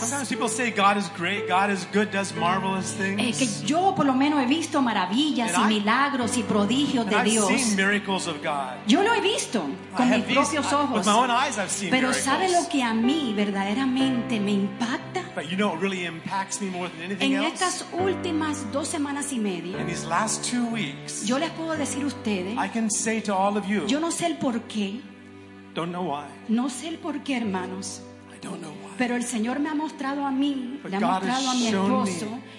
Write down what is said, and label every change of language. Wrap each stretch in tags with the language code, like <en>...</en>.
<en>Sometimes people say God is great, God is good, does marvelous things.</en> <es>Que yo por lo menos he visto maravillas y milagros y prodigios de Dios.</es> <en>I've seen miracles of God.</en> <es>Yo lo he visto con mis propios ojos.</es> <en>With my own eyes I've seen.</en> <es>Pero ¿sabe lo que a mí verdaderamente me impacta?</es> <en>But you know what really impacts me more than anything else?</en> <es>En estas últimas dos semanas y media,</es> <en>in these last 2 weeks,</en> <es>yo les puedo decir a ustedes,</es> <en>I can say to all of you,</en> <es>yo no sé el por qué,</es> <en>don't know why,</en> <es>no sé el por qué, hermanos,</es> <en>I don't know why,</en> <es>pero el Señor me ha mostrado a mí,</es> <en>but</en> <es>le ha mostrado</es> <en>God</en> <es>a mi esposo,</es>